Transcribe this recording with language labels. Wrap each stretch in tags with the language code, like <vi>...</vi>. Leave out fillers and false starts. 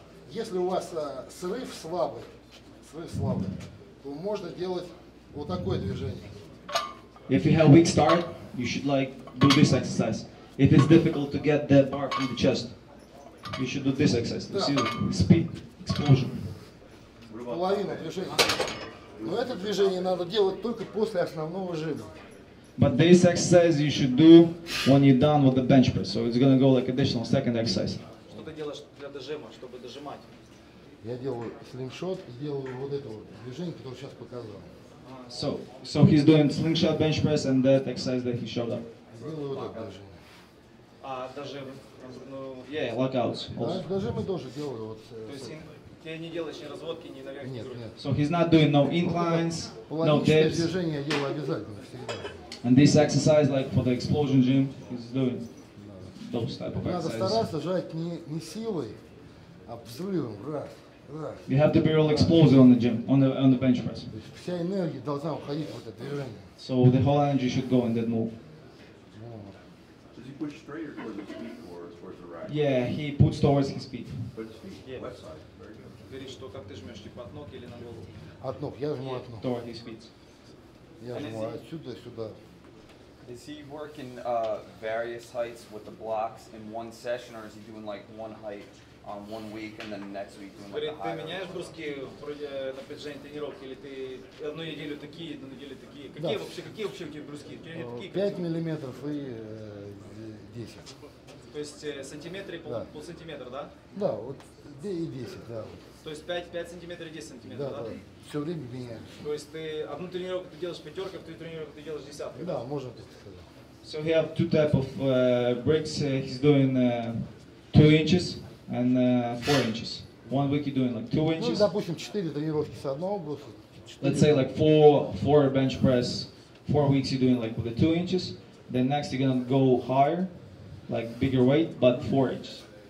<ru>Если у вас срыв слабый, то можно делать вот такое движение.</ru> <en>If you have weak start, you should like do this exercise. If it's difficult to get the bar from the chest, you should do this exercise.</en> <ru>Да.</ru> <en>See speed explosion.</en> <ru>Половина движения. Но это движение надо делать только после основного жима.</ru> <en>But this exercise you should do when you're done with the bench press. So it's gonna go like additional second exercise.</en> <ru>Что ты делаешь для дожима, чтобы дожимать? Я делаю слингшот, делаю вот это вот движение, которое сейчас показал.</ru> <en>So he's doing slingshot bench press and that exercise that he showed up.</en> <ru>Сделаю вот это движение. А дожим?</ru> <en>Yeah, lockouts.</en> <ru>Дожимы тоже делаю вот. Я не делаешь ни разводки, ни наверх. Нет.</ru> <en>So he's not doing no inclines, no dips.</en> <ru>Движение делаю обязательно всегда.</ru> <en>And this exercise, like for the explosion gym, he's doing those type of exercises.</en> <ru>Надо стараться жать не силой, а взрывом, раз.</ru> <en>You have to be real explosive on the gym, on the bench press.</en> <ru>Вся энергия должна уходить в это движение.</ru> <en>So the whole energy should go in that move. Does he push straight or towards his feet or towards the right? Yeah, he puts towards his feet. But his feet, yeah. Left side.</en> <ru>Говорит, что как ты жмешь, типа от ног или на голову? От ног, я жму от ног. Я жму отсюда сюда.</ru> <en>Is he working various heights with the blocks in one session, or is he doing like one height on one week and then next week doing like the higher?</en> <ru>Ты меняешь бруски на протяжении тренировки, или ты одну неделю такие, одну неделю такие? Какие вообще у тебя бруски? 5 миллиметров и 10. То есть сантиметры и пол сантиметра, да? Да, вот 10 и 10, да. То есть 5 сантиметров и 10 сантиметров, да? Да, все время меняешь. То есть ты одну тренировку ты делаешь пятерка, вторую тренировку ты делаешь десятка? Да, можно так сказать.</ru> <en>So he have two type of bricks. He's doing 2 inches and 4 inches. One week he's doing like 2 inches.</en> <ru>Ну, допустим, 4 тренировки с одного бруса.</ru> <en>Let's say like 4 bench press. 4 weeks you're doing like with the 2 inches. Then next you're gonna go higher, like bigger weight, but 4 inches.</en>